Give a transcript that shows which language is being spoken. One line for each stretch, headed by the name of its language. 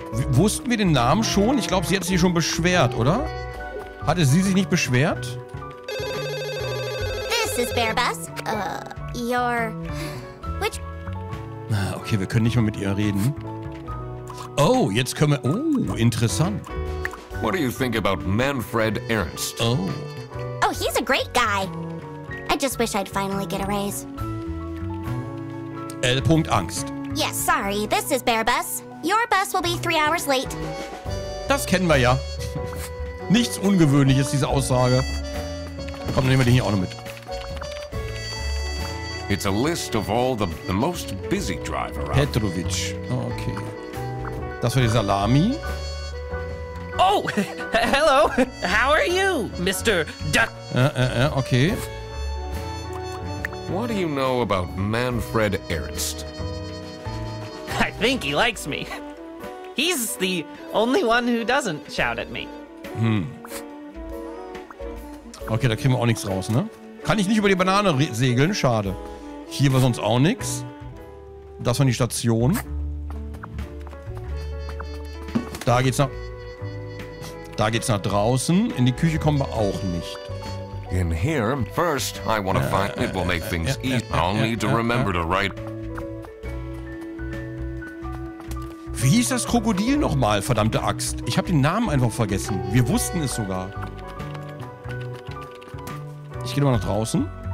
German: Wussten wir den Namen schon? Ich glaube, sie hat sich schon beschwert, oder? Hatte sie sich nicht beschwert?
English: This is Bearbus. Your... Which...
German: Okay, wir können nicht mehr mit ihr reden. Oh, jetzt können wir... Oh, interessant.
English: What do you think about Manfred Ernst? Oh. Oh, he's a great guy. I just wish I'd finally get a raise. L. Angst. Yes, sorry. This is Bearbus. Your bus will be 3 hours late.
German: Das kennen wir ja. Nichts Ungewöhnliches, diese Aussage. Komm, nehmen wir den hier auch noch mit.
English: It's a list of all the most busy driver.
German: Petrovic. Okay. Das war die Salami.
English: Oh, hello. How are you, Mr. Duck? Okay. What do you know about Manfred Ernst? I think he likes me. He's the only one who doesn't shout at me. Hm.
German: Okay, da kriegen wir auch nichts raus, ne? Kann ich nicht über die Banane segeln, schade. Hier war sonst auch nichts. Das war die Station. Da geht's nach draußen. In die Küche kommen wir auch nicht.
English: In here, first, I want to find it will make things easy. I'll need to remember to write.
German: Wie hieß das Krokodil nochmal, verdammte Axt? Ich habe den Namen einfach vergessen. Wir wussten es sogar. Ich gehe mal nach draußen.